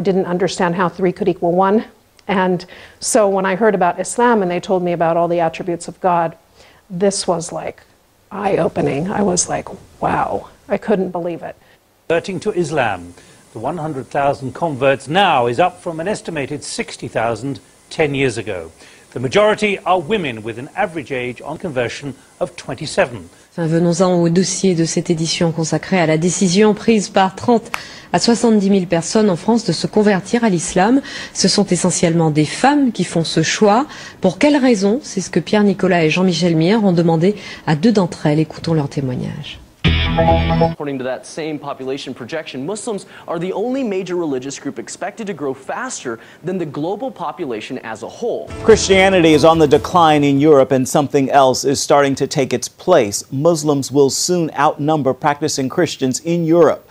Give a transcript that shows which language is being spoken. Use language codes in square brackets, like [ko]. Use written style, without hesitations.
[en] I didn't understand how three could equal one. And so when I heard about Islam and they told me about all the attributes of God, this was like eye-opening. I was like, wow, I couldn't believe it. Converting to Islam, the 100,000 converts now is up from an estimated 60,000 10 years ago. The majority are women with an average age on conversion of 27. [fr] Venons-en au dossier de cette édition consacrée à la décision prise par 30 à 70 000 personnes en France de se convertir à l'islam. Ce sont essentiellement des femmes qui font ce choix. Pour quelles raisons? C'est ce que Pierre-Nicolas et Jean-Michel Mire ont demandé à deux d'entre elles. Écoutons leur témoignage. [en] According to that same population projection, Muslims are the only major religious group expected to grow faster than the global population as a whole. Christianity is on the decline in Europe and something else is starting to take its place. Muslims will soon outnumber practicing Christians in Europe.